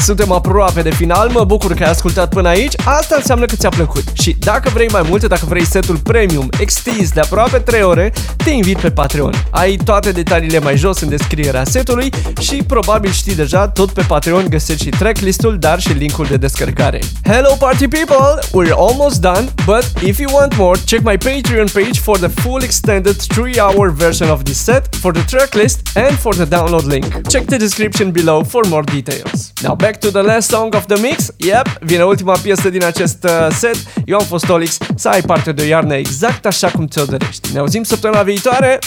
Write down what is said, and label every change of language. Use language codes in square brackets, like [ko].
[ro] Suntem aproape de final, mă bucur că ai ascultat până aici, asta înseamnă că ți-a plăcut. Și dacă vrei mai multe, dacă vrei setul premium extins de aproape 3 ore, te invit pe Patreon. Ai toate detaliile mai jos în descrierea setului și probabil știi deja, tot pe Patreon găsești și tracklist-ul, dar și link-ul de descărcare. [en] Hello party people, we're almost done, but if you want more, check my Patreon page for the full extended 3-hour version of this set, for the tracklist and for the download link. Check the description below for more details. Now back to the last song of the mix. [ro] Yep, vine ultima piesă din acest set. Eu am fost OLiX. Să ai parte de o iarnă exact așa cum ți-o dorești. Ne auzim săptămâna viitoare.